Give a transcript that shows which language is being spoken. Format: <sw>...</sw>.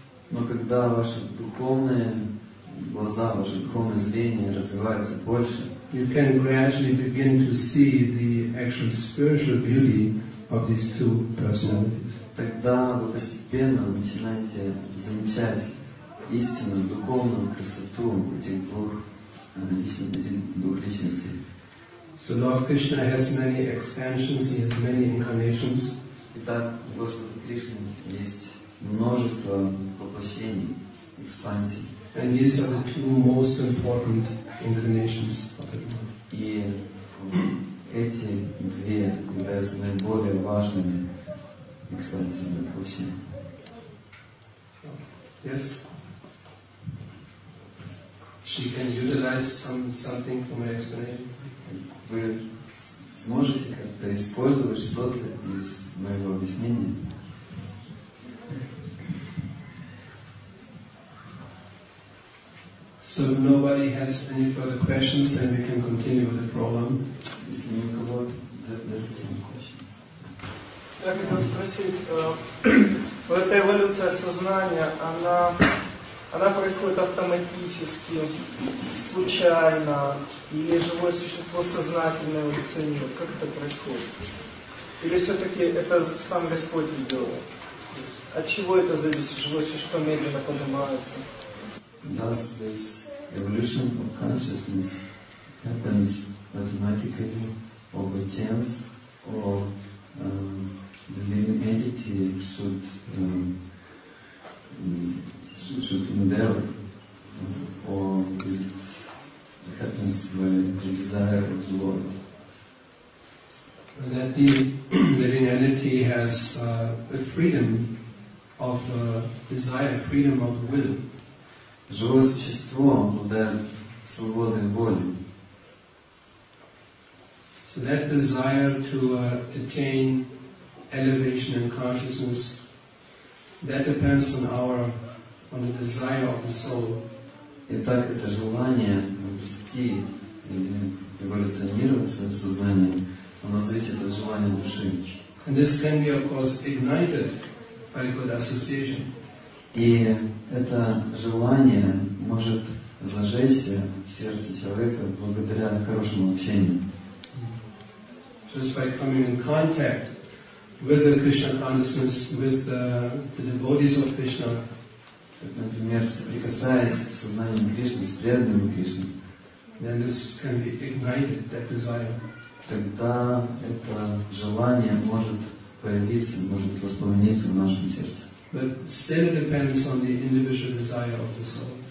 <ru>но когда ваши духовные глаза, ваши духовные зрения развиваются больше.</ru> <en>You can gradually begin to see the actual spiritual beauty of these two personalities.</en> <ru>Тогда вы постепенно начинаете замечать истинную духовную красоту этих двух личностей.</ru> <en>So Lord Krishna has many expansions, he has many incarnations.</en> <ru>Итак, у Господа Кришны есть множество воплощений, экспансий.</ru> <en>And these are the two most important inclinations of the mind.</en> <ru>И эти две являются наиболее важными экспансивными курсами.</ru> <en>Yes. She can utilize something from my explanation.</en> <ru>Вы сможете как-то использовать что-то из моего объяснения?</ru> <en>So if nobody has any further questions, then we can continue with the program.</en> <ru>Если никого нет, то я хочу спросить, эта эволюция сознания, она происходит автоматически, случайно, или живое существо сознательно эволюционирует? Как это происходит? Или все-таки это сам Господь сделал? От чего это зависит? Живое существо медленно поднимается?</ru> <en>Does this evolution of consciousness happens automatically, or by chance, or the living entity should endeavor, or it happens by the desire of the Lord? That the living entity has a freedom of desire, freedom of will.</en> <ru>Живое существо обладает свободной волей.</ru> <en>So that desire to attain elevation and consciousness, that depends on the desire of the soul.</en> <ru>Итак, это желание обрести или эволюционировать своим сознанием, оно зависит от желания души.</ru> <en>And this can be, of course, ignited by good association.</en> <ru>И это желание может зажечься в сердце человека благодаря хорошему общению.</ru> <en>Just by coming in contact with the Krishna consciousness, with the devotees of Krishna.</en> <ru>Так, например, соприкасаясь с сознанием Кришны, с преданными Кришны.</ru> <en>Then this can be ignited, that desire.</en> <ru>Тогда это желание может появиться, может воспламениться в нашем сердце.</ru> <en>But still it depends on the individual desire of the soul.</en>